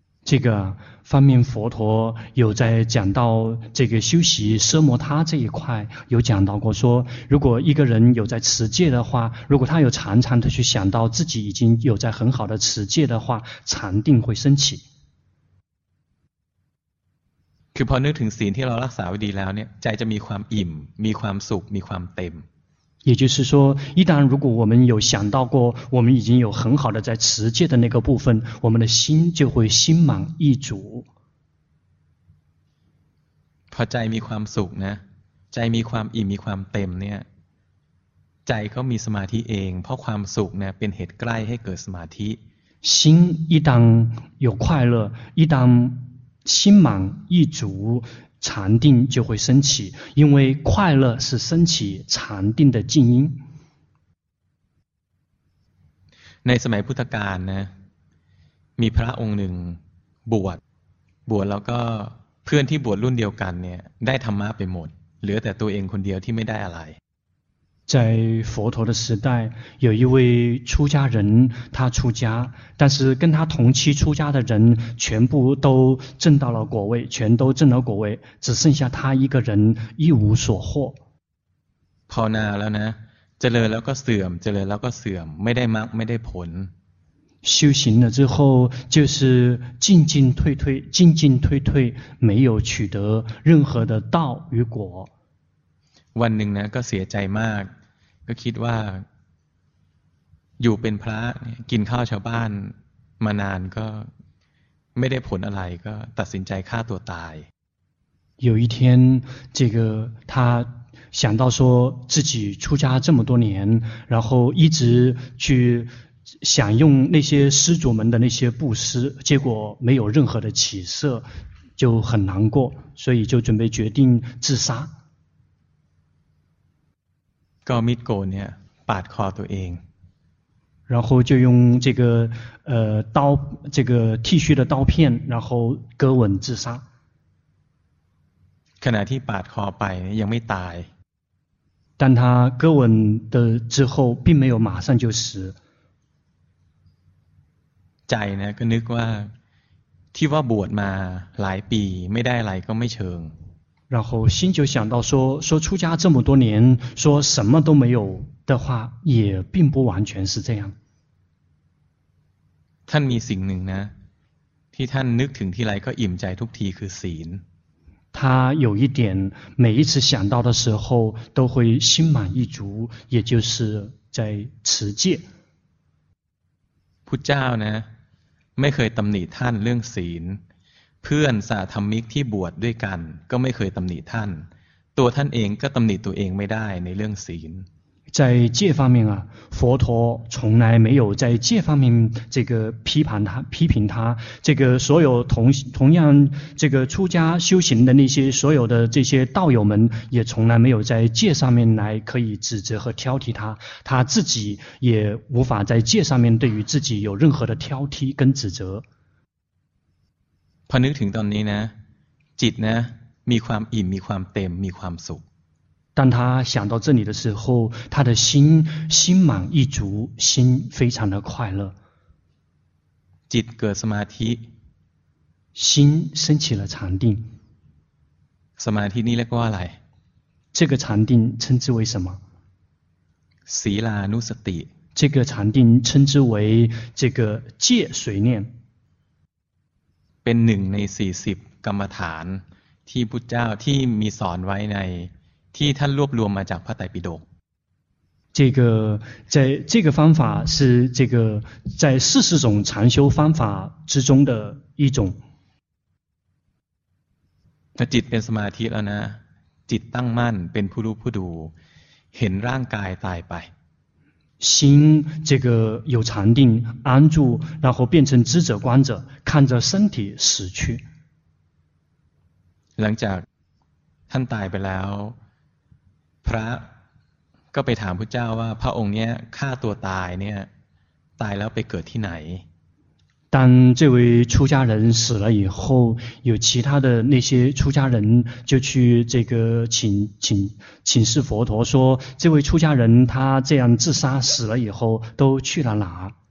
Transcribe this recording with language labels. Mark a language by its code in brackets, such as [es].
[zh] 这个方面佛陀有在讲到这个修习奢摩他这一块有讲到过说如果一个人有在持戒的话如果他有常常的去想到自己已经有在很好的持戒的话禅定会升起 [th] คือพอนึกถึงศีลที่เรารักษาไว้ดีแล้วเนี่ยใจจะมีความอิ่มมีความสุขมีความเต็ม [zh] 也就是说一旦如果我们有想到过我们已经有很好的在持戒的那个部分我们的心就会心满意足 [th] พอใจมีความสุขนะใจมีความอิ่มมีความเต็มเนี่ยใจเขามีสมาธิเองเพราะความสุขเนี่ยเป็นเหตุใกล้ให้เกิดสมาธิ [zh] 心一旦有快乐一旦心满意足禅定就会升起因为快乐是升起禅定的静音 [th] ในสมัยพุทธกาลนะมีพระองค์หนึ่งบวชแล้วก็เพื่อนที่บวชรุ่นเดียวกันเนี่ยได้ธรรมะไปหมดเหลือแต่ตัวเองคนเดียวที่ไม่ได้อะไร [zh] 在佛陀的时代有一位出家人他出家但是跟他同期出家的人全部都证到了果位全都证了果位只剩下他一个人一无所获 [th] ภาวนาแล้วนะเจริญแล้วก็เสื่อมเจริญแล้วก็เสื่อมไม่ได้มรรคไม่ได้ผล [zh] 修行了之后就是进进退退进进退退没有取得任何的道与果 [th] วันหนึ่งนะก็เสียใจมากก็คิดว่าอยู่เป็นพระกินข้าวชาวบ้านมานานก็ไม่ได้ผลอะไรก็ตัดสินใจฆ่าตัวตาย [zh] 有一天这个他想到说自己出家这么多年然后一直去享用那些施主们的那些布施结果没有任何的起色就很难过所以就准备决定自杀 [th] ก็มีดโกนเนี่ยปาดคอตัวเอง [zh] 然后就用这个刀这个剃须的刀片然后割腕自杀 [th] ขณะที่ปาดคอไปยังไม่ตาย [zh] 但他割腕的之后并没有马上就死 [th] ใจนะก็นึกว่าที่ว่าบวชมาหลายปีไม่ได้อะไรก็ไม่เชิง [zh] 然后心就想到说说出家这么多年说什么都没有的话也并不完全是这样 [th] ท่านมีสิ่งหนึ่งนะที่ท่านนึกถึงทีไรก็อิ่มใจทุกทีคือศีล [zh] 他有一点每一次想到的时候都会心满意足也就是在持戒 [th] พุทธเจ้านะไม่เคยตำหนิท่านเรื่องศีลเพื่อนสาธรรมิกที่บวช ด้วยกันก็ไม่เคยตำหนิท่านตัวท่านเองก็ตำหนิตัวเองไม่ได้ในเรื่องศีล [zh] 在戒方面啊佛陀从来没有在戒方面这个批评他这个所有同样这个出家修行的那些所有的这些道友们也从来没有在戒上面来可以指责和挑剔他自己也无法在戒上面对于自己有任何的挑剔跟指责 [th] พอนึกถึงตอนนี้นะจิตนะมีความอิ่มมีความเต็มมีความสุข [zh] 当他想到这里的时候他的心心满意足心非常的快乐 [th] จิตเกิดสมาธิ [zh] 心升起了禅定 [th] สมาธินี้เรียกว่าอะไร [zh] 这个禅定称之为什么 [th] สีลานุสติ [zh] 这个禅定称之为这个戒随念 [th] เป็นหนึ่งใน40กรรมฐานที่พุทธเจ้าที่มีสอนไว้ในที่ท่านรวบรวมมาจากพระไตรปิฎก [zh] 这个在这个方法是这个在40种禅修方法之中的一种 [th] ถ้าจิตเป็นสมาธิแล้วนะจิตตั้งมั่นเป็นผู้รู้ผู้ดูเห็นร่างกายตายไป [zh] 心这个有禅定安住然后变成知者观者看着身体死去 [th] หลังจากท่านตายไปแล้วพระก็ไปถามพุทธเจ้าว่าพระองค์เนี้ยฆ่าตัวตายเนี่ยตายแล้วไปเกิดที่ไหน [zh] 当这位出家人死了以后，有其他的那些出家人就去这个请示佛陀说，这位出家人他这样自杀死了以后都去了哪？